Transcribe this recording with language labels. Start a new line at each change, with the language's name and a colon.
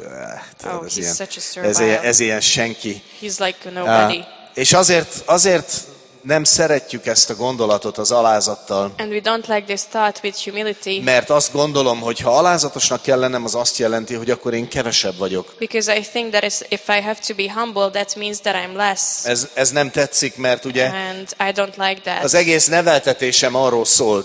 English: Oh, he's ilyen, such a servile.
Hungarian: Ez ilyen senki.
English: He's like nobody.
Hungarian: És azért nem szeretjük ezt a gondolatot az alázattal.
English: And we don't like this thought with humility.
Hungarian: Mert azt gondolom, hogy ha alázatosnak kell lennem, az azt jelenti, hogy akkor én kevesebb vagyok.
English: Because I think that if I have to be humble, that means that I'm less.
Hungarian: Ez nem tetszik, mert ugye.
English: And I don't like that.
Hungarian: Az egész neveltetésem arról szólt.